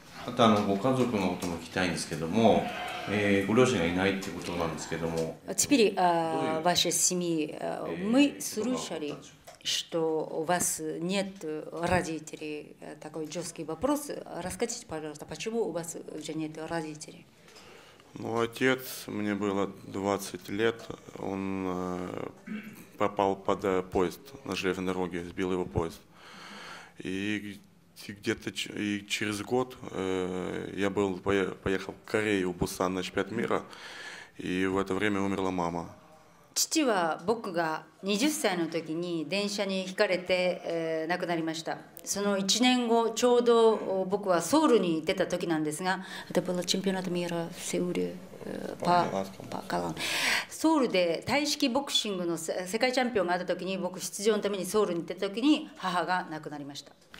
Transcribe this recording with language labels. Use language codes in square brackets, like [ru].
[ja] あとあのご家族のことも聞きたいんですけども、ご両親がいないってことなんですけども。 [ru] Теперь ваша семья, мы слышали, что у вас нет родителей. Такой жесткий вопрос. Расскажите, пожалуйста, почему у вас уже нет родителей? Ну, отец, мне было 20 лет, он попал под поезд на железной дороге, сбил его поезд. И через год я был поехал в Корею, в Бусан на чемпионат мира, и в это время умерла мама. [ja] 父は僕が20歳の時に電車にひかれて、亡くなりました。その1年後、ちょうど僕はソウルに出た時なんですが、ソウルで体式ボクシングの世界チャンピオンがあった時に、僕出場のためにソウルに出た時に母が亡くなりました。